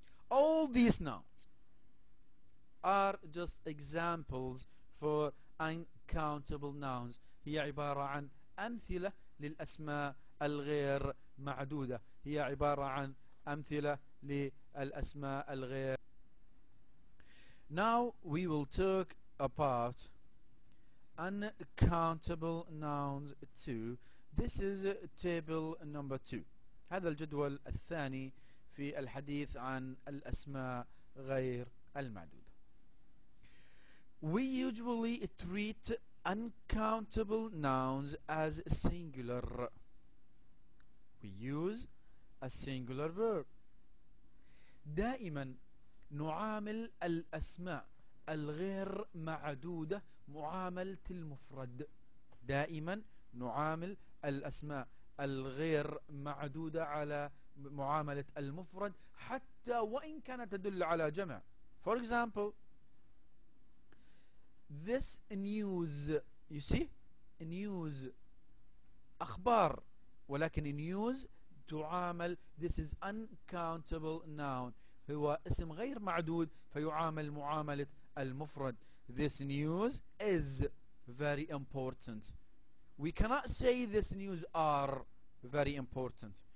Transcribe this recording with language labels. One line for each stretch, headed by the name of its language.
English: All these nouns are just examples for uncountable nouns،
Arabic: هي عبارة عن أمثلة للأسماء الغير معدودة، هي عبارة عن أمثلة للأسماء الغير.
English: Now we will talk about uncountable nouns too. This is table number 2.
Arabic: هذا الجدول الثاني في الحديث عن الأسماء غير المعدودة.
English: We usually treat uncountable nouns as singular. We use a singular verb.
Arabic: دائما نعامل الأسماء الغير معدودة معاملة المفرد. دائما نعامل الأسماء الغير معدودة على معاملة المفرد حتى وإن كانت تدل على جمع.
English: For example, this news. You see,
Arabic: news أخبار، ولكن news تعامل،
English: this is uncountable noun،
Arabic: هو اسم غير معدود فيعامل معاملة المفرد.
English: This news is very important. We cannot say this news are very important.